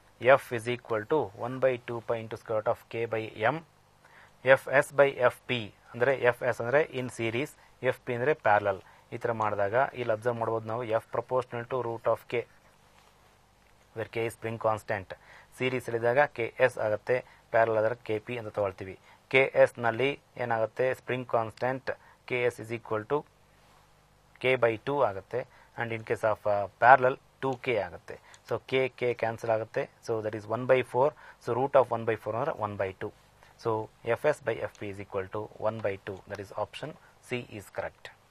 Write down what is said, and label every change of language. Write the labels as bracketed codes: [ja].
[en] F is equal to 1 by 2 pi into square root of K by M. Fs by Fp andre Fs andre in series, Fp andre parallel. [kn] Itra madadaga illi observe madabodu navu [en] F proportional to root of K, where K is spring constant. [kn] Series ಇದ್ದಾಗ KS ಆಗುತ್ತೆ, parallel ಅದರ KP ಅಂತ ತಗೊಳ್ತೀವಿ. KS ನಲ್ಲಿ ಏನಾಗುತ್ತೆ, [en] spring constant KS is equal to K by 2 ಆಗುತ್ತೆ, and in case of parallel 2K ಆಗುತ್ತೆ. So K K cancel ಆಗುತ್ತೆ, so that is 1 by 4, so root of 1 by 4 ಅಂದ್ರೆ 1 by 2. So FS by FP is equal to 1 by 2, that is option C is correct.